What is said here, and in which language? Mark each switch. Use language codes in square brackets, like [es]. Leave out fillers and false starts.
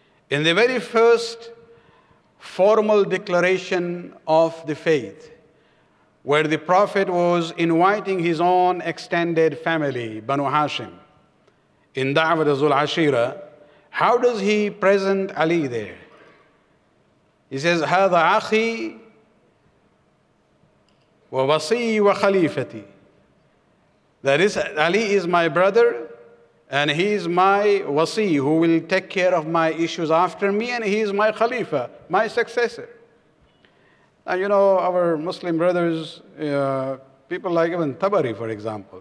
[en] In the very first formal declaration of the faith, where the Prophet was inviting his own extended family, Banu Hashim, in Da'wat Zul-Ashira, how does he present Ali there? [ar] He says, هذا أخي ووصي وخليفتي. [en] That is, Ali is my brother, and he is my wasi, who will take care of my issues after me, and he is my khalifa, my successor. And you know, our Muslim brothers, people like even Tabari, for example.